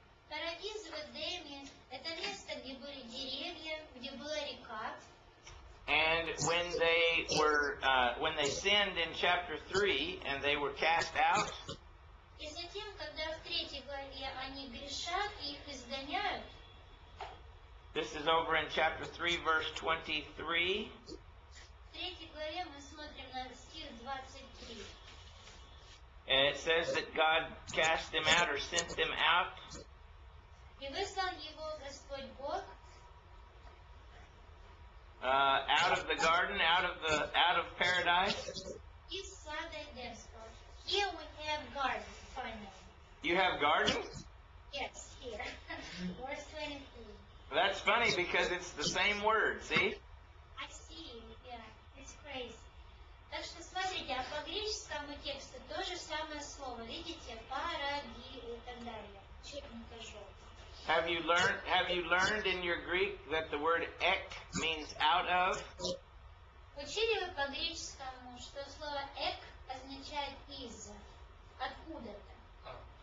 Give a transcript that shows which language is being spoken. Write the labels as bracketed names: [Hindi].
[Russian] Парадис в Эдеме это место, где были деревья, где была река. [English] And when they were when they sinned in chapter 3 and they were cast out, [Russian] и затем, когда в третьей главе они грешат и их изгоняют, [English] this is over in chapter 3 verse 23. [Russian] В третьей главе мы смотрим на стих 23. [English] And it says that God cast them out or sent them out. [Russian] И выслал его Господь Бог. [English] Out of the garden, out of paradise. You saw that there's garden. Here we have garden, finally. You have garden? Yes, here. Verse 23. That's funny because it's the same word, see? I see, yeah. It's crazy. [Russian] Так что смотрите, а по греческому тексту то же самое слово. Видите, пара, ги и так далее. Чуть не кажется. [English] Have you learned in your Greek that the word ek means out of? [Russian] Учили вы по-греческому, что слово ek означает из, откуда-то?